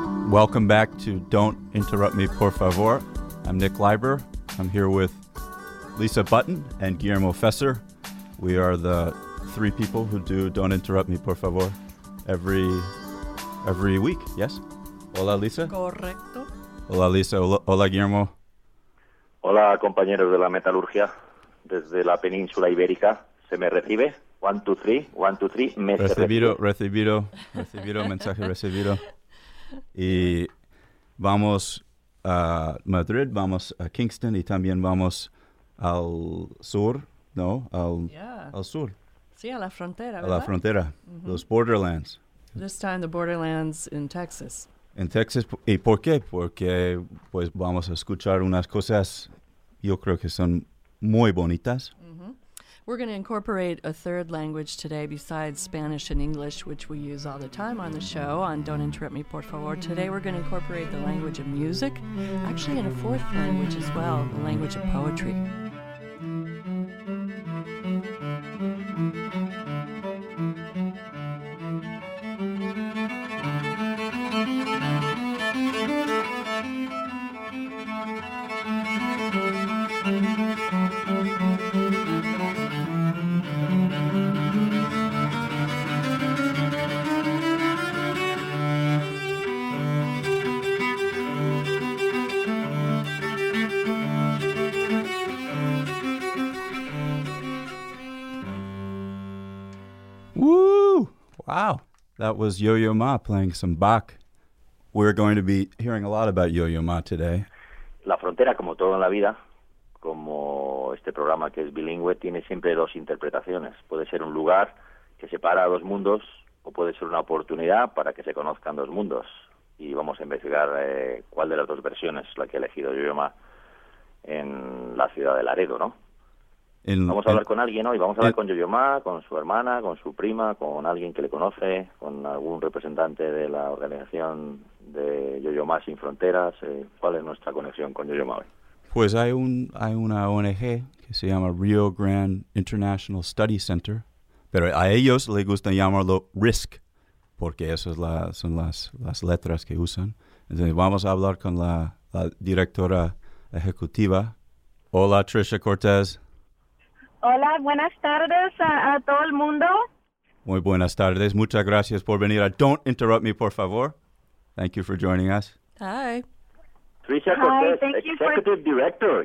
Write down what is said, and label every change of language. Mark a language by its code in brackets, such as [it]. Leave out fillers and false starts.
[en] Welcome back to Don't Interrupt Me, Por Favor. I'm Nick Leiber. I'm here with Lisa Button and Guillermo Fesser. We are the three people who do Don't Interrupt Me, Por Favor every week. Yes? [es] Hola, Lisa. Correcto. Hola, Lisa. Hola, Guillermo. Hola, compañeros de la metalurgia desde la península ibérica. ¿Se me recibe? [en] One, two, three. [es] Recibido. Mensaje recibido. Y vamos a Madrid, vamos a Kingston y también vamos al sur, ¿no? Al sur. Sí, a la frontera, ¿verdad? A la frontera, los borderlands. [en] This time the borderlands in Texas. [es] En Texas, ¿y por qué? Porque pues vamos a escuchar unas cosas, yo creo que son muy bonitas. [en] We're going to incorporate a third language today besides Spanish and English, which we use all the time on the show on Don't Interrupt Me, Por Favor. Today we're going to incorporate the language of music, actually in a fourth language as well, the language of poetry. Wow, that was Yo-Yo Ma playing some Bach. We're going to be hearing a lot about Yo-Yo Ma today. [es] La frontera, como todo en la vida, como este programa que es bilingüe, tiene siempre dos interpretaciones. Puede ser un lugar que separa dos mundos o puede ser una oportunidad para que se conozcan dos mundos. Y vamos a investigar cuál de las dos versiones es la que ha elegido Yo-Yo Ma en la ciudad de Laredo, ¿no? Vamos a hablar con alguien hoy, con Yo-Yo Ma, con su hermana, con su prima, con alguien que le conoce, con algún representante de la organización de Yo-Yo Ma Sin Fronteras. ¿Cuál es nuestra conexión con Yo-Yo Ma hoy? Pues hay una ONG que se llama Rio Grande International Study Center, pero a ellos les gusta llamarlo RISC, porque esas son las letras que usan. Entonces vamos a hablar con la directora ejecutiva. Hola, Trisha Cortez. Hola, buenas tardes a todo el mundo. Muy buenas tardes. Muchas gracias por venir a Don't Interrupt Me, Por Favor. [en] Thank you for joining us. Hi. Trisha Cortez, Executive Director.